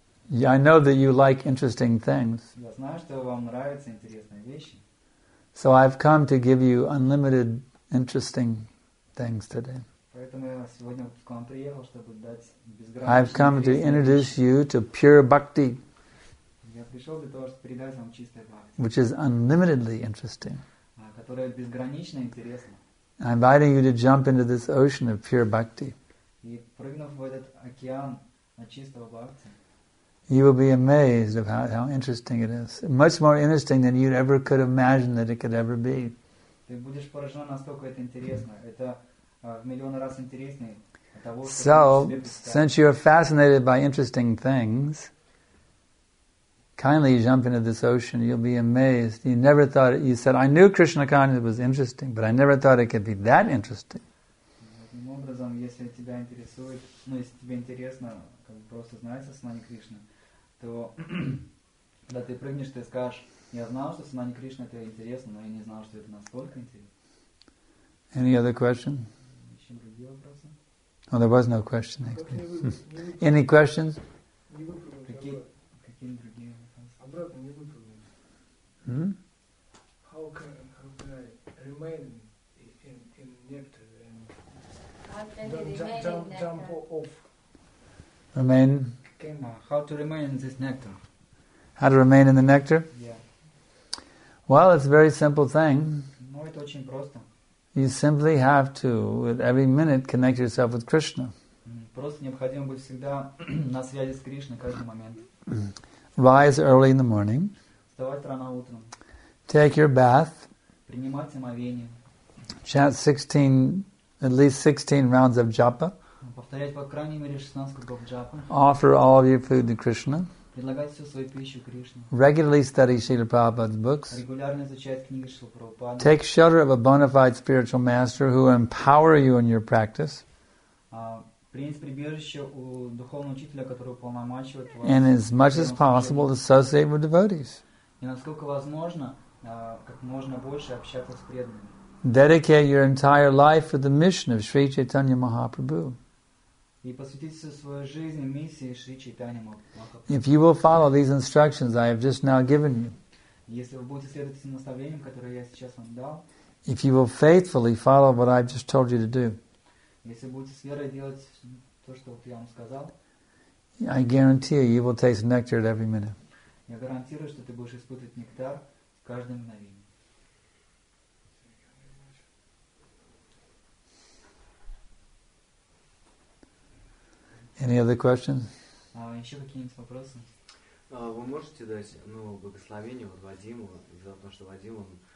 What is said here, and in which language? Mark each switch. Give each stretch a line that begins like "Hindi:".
English: Yeah, I know that you like interesting things.
Russian: Я знаю, что вам нравятся интересные вещи.
English: So I've come to give you unlimited interesting things today.
Russian: Поэтому я сегодня к вам приехал, чтобы дать безграничные.
English: I've come to introduce you to pure bhakti.
Russian: Я пришел для того, чтобы передать вам чистое бхакти.
English: Which is unlimitedly interesting.
Russian: Которое безгранично интересно.
English: I'm inviting you to jump into this ocean of pure bhakti.
Russian: И прыгнув в этот океан чистого бхакти.
English: You will be amazed of how interesting it is. Much more interesting than you ever could imagine that it could ever be.
Russian: Ты будешь поражен, насколько это интересно. Это в миллион раз интереснее того, что ты себе представляешь.
English: So, since you are fascinated by interesting things, kindly jump into this ocean. You'll be amazed. You never thought it. You said, "I knew Krishna consciousness was interesting, but I never thought it could be that interesting."
Russian: Таким образом, если тебя интересует, ну если тебе интересно. Просто знаешь о Санане Кришне, то когда ты прыгнешь, ты скажешь, я знал, что Санане Кришне это интересно, но я не знал, что это настолько интересно.
English: Any other question?
Russian: Еще другие вопросы?
English: Oh, there was no question. Any questions?
Russian: Какие другие вопросы? Обратно не выпрыгнули.
English: How can I remain in nectar and don't jump off? How to remain in this nectar? How to remain in the nectar? Yeah. Well, it's a very simple thing.
Russian: Ну, это очень просто.
English: You simply have to, at every minute, connect yourself with Krishna.
Russian: Просто необходимо быть всегда на связи с Кришной каждый момент.
English: Rise early in the morning.
Russian: Вставать рано утром.
English: Take your bath.
Russian: Принимать омовение.
English: Chant 16, at least 16 rounds of japa.
Russian: Повторять по крайней мере 16 кругов джапы.
English: Offer all of your food to Krishna.
Russian: Предлагать всю свою пищу Кришне.
English: Regularly study Srila Prabhupada's books.
Russian: Регулярно изучать книги Шрилы Прабхупады.
English: Take shelter of a bona fide spiritual master who empower you in your practice.
Russian: Принять прибежище у духовного учителя, который уполномочивает вас.
English: And as much as possible, associate with devotees.
Russian: и насколько возможно, как можно больше общаться с преданными.
English: Dedicate your entire life to the mission of Sri Chaitanya Mahaprabhu.
Russian: И посвятить всю свою жизнь миссии Шри Чайтанья Махапрабху.
English: If you will follow these instructions I have just now given you.
Russian: Если вы будете следовать этим наставлениям, которые я сейчас вам дал.
English: If you will faithfully follow what I've just told you to do.
Russian: Если будете с верой делать то, что я вам сказал.
English: I guarantee you will taste nectar at every minute.
Russian: Я гарантирую, что ты будешь испытывать нектар в каждом мгновении.
English: Any other questions?
Russian: Еще какие-нибудь вопросы? Вы можете дать, ну, благословение вот Вадиму, за то, что Вадим, он...